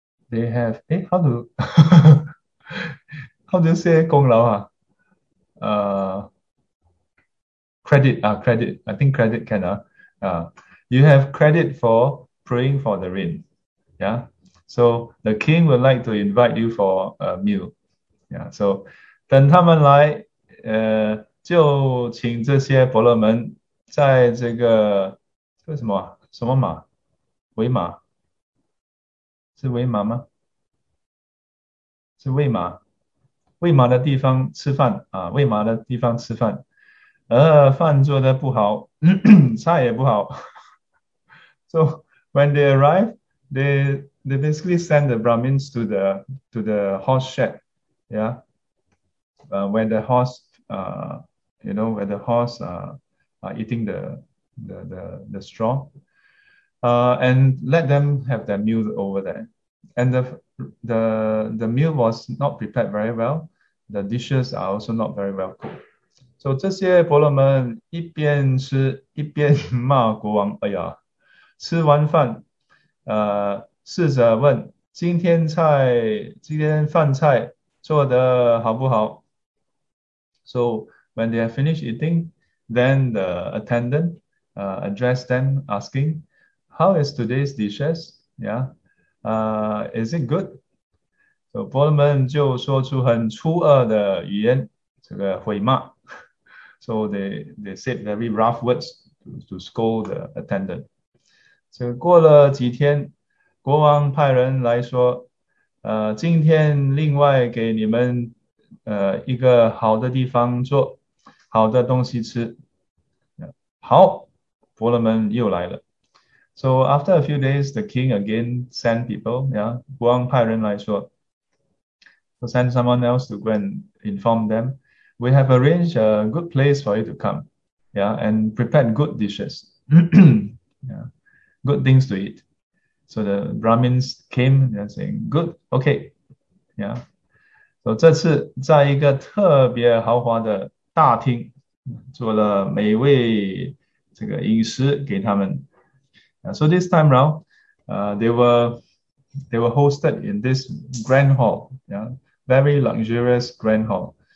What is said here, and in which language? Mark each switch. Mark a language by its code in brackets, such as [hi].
[en] They have how do you say 功劳? Credit. I think credit can you have credit for praying for the rain. Yeah. So the king would like to invite you for a meal. Yeah. [zh] So 等他们来, 就请这些婆罗门 在这个什么马？喂马？是喂马吗？喂马的地方吃饭，喂马的地方吃饭，饭做得不好，菜也不好. [en] So when they arrive, they basically send the Brahmins to the horse shed, yeah. Where the horse where the horse are eating the straw, and let them have their meal over there. And the meal was not prepared very well. The dishes are also not very well cooked. [zh] So 这些婆罗门一边吃一边骂国王，哎呀，吃完饭，试着问今天饭菜做得好不好? [en] So when they have finished eating, then the attendant addressed them, asking, how is today's dishes? Yeah. Is it good? [zh] So, 婆罗门就说出很粗恶的语言,这个毁骂. [en] So, they said very rough words to scold the attendant. [zh] So, 过了几天,国王派人来说,今天另外给你们一个好的地方做, 好的东西吃. 好,婆罗门又来了。 [en] So after a few days, the king again sent people, yeah, [zh] 国王派人来说, [en] to send someone else to go and inform them, we have arranged a good place for you to come, yeah, and prepared good dishes, yeah, good things to eat. So the Brahmins came, they're saying, good, okay. Yeah. [zh] So 这次在一个特别豪华的大厅, 做了美味这个饮食给他们. [en] So this time round, they were hosted in this grand hall, yeah, very luxurious grand hall.